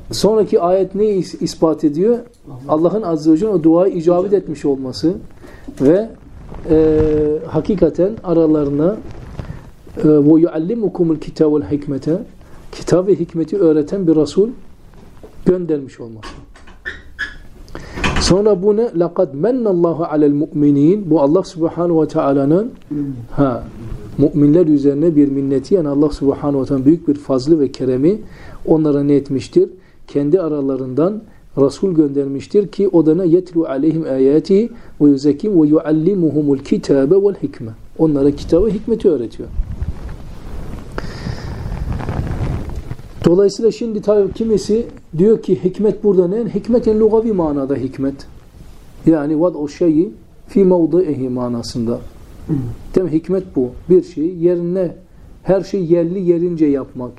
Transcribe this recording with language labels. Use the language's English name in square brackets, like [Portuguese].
[Turkish] Sonraki ayet neyi ispat ediyor? Allah'ın Azze ve Celle o duayı icabet etmiş olması ve hakikaten aralarına [Arabic] وَيُعَلِّمُكُمُ الْكِتَابُ الْحِكْمَةَ [Turkish] kitap ve hikmeti öğreten bir Resul göndermiş olması. Sonra bu ne? [Arabic] لَقَدْ مَنَّ اللّٰهُ عَلَى الْمُؤْمِنِينَ [Turkish] Bu Allah Subhanahu ve Teala'nın müminler üzerine bir minneti, yani Allah Subhanahu ve Teala'nın büyük bir fazlı ve keremi onlara ne etmiştir? Kendi aralarından Resul göndermiştir ki o da ne? [Arabic] يَتْلُوا عَلَيْهِمْ آيَاتِهِ وَيُزَكِمْ وَيُعَلِّمُهُمُ الْكِتَابَ وَالْحِكْمَةِ [Turkish] Onlara kitabı, hikmeti öğretiyor. Dolayısıyla şimdi tabii kimisi diyor ki hikmet burada ne? Hikmeten lugavi manada hikmet. Yani vad o şeyi fi mevdi'ihi manasında. Değil mi? Hikmet bu. Bir şey yerine, her şey yerli yerince yapmak.